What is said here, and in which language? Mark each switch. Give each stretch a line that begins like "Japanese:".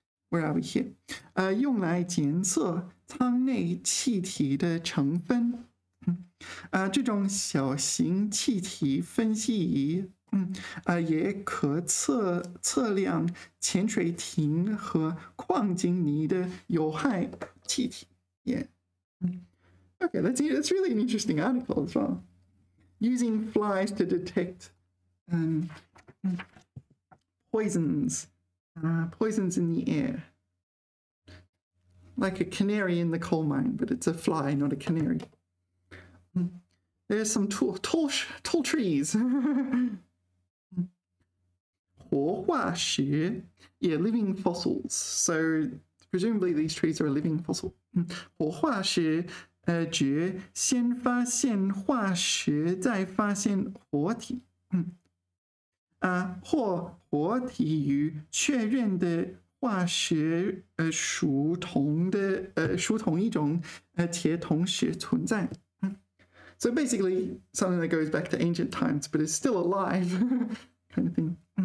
English: Where are we here?
Chinese: 用来检测舱内气体的成分。这种小型气体分析仪也可测量潜水艇和矿井里的有害气体。
English: Yeah. Okay, that's really an interesting article as well. Using flies to detect poisons in the air. Like a canary in the coal mine, but it's a fly, not a canary. There's some tall trees.
Chinese: 活化石
English: Yeah, living fossils. So presumably these trees are a living fossil.
Chinese: 活化石指先发现化石再发现活体或活体与确认的化石属同一种且同时存在。
English: So basically something that goes back to ancient times but is still alive kind of thing.